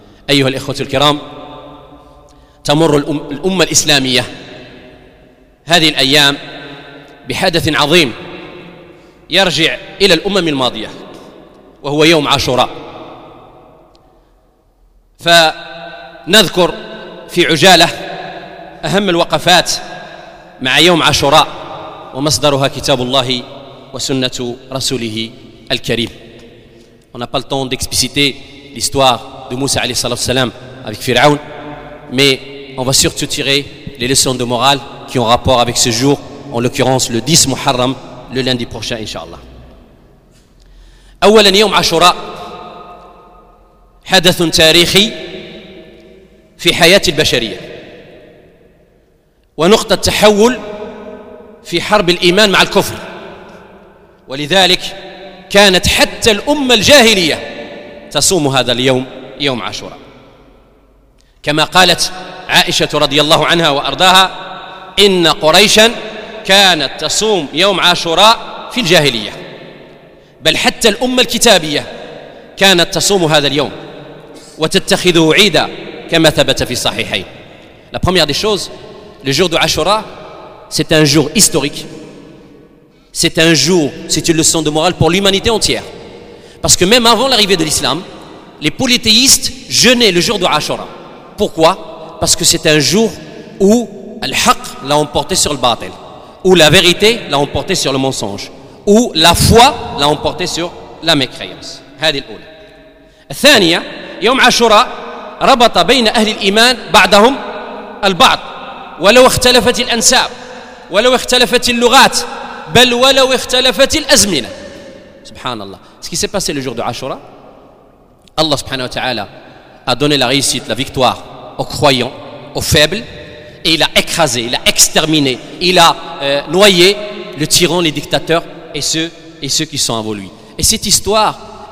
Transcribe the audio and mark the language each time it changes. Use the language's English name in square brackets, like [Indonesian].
[Arabic] أيها الإخوة الكرام، تمر الأمة الإسلامية هذه الأيام بحدث عظيم يرجع إلى الأمم الماضية، وهو يوم عاشوراء. فنذكر في عجالة أهم الوقفات مع يوم عاشوراء، ومصدرها كتاب الله وسنة رسوله الكريم. [French] On a pas le temps d'expliciter l'histoire de Moussa [Arabic] عليه الصلاة والسلام [French] avec Pharaon, mais on va surtout tirer les leçons de morale qui ont rapport avec ce jour, en l'occurrence le 10 Muharram, le lundi prochain, Inch'Allah. [Arabic] أولاً يوم عاشوراء حدث تاريخي في حياة البشرية ونقطة تحول في حرب الإيمان مع الكفر، ولذلك كانت حتى الأمة الجاهلية تصوم هذا اليوم يوم عاشوراء، كما قالت عائشة رضي الله عنها وأرضاها: إن قريشاً كانت تصوم يوم عاشوراء في الجاهلية، بل حتى الأمة الكتابية كانت تصوم هذا اليوم وتتخذه عيداً كما ثبت في الصحيحين. [French] La première des choses, le jour de Ashura, c'est un jour historique. C'est un jour, c'est une leçon de morale pour l'humanité entière. Parce que même avant l'arrivée de l'islam, les polythéistes jeûnaient le jour de Ashura. Pourquoi ? Parce que c'est un jour où al-haq l'a emporté sur le batil, où la vérité l'a emporté sur le mensonge, où la foi l'a emporté sur la mécréance. [Arabic] هذه الأولى. الثانية: يوم عاشوراء ربط بين أهل الإيمان بعضهم البعض، ولو اختلفت الأنساب، ولو اختلفت اللغات، بل ولو اختلفت الأزمنة. سبحان الله. [French] Ce qui s'est passé le jour de Ashura, Allah [Arabic] سبحانه وتعالى [French] a donné la réussite, la victoire aux croyants, aux faibles, et il a écrasé, il a exterminé, il a noyé le tyran, les dictateurs et ceux qui sont avant lui. Et cette histoire,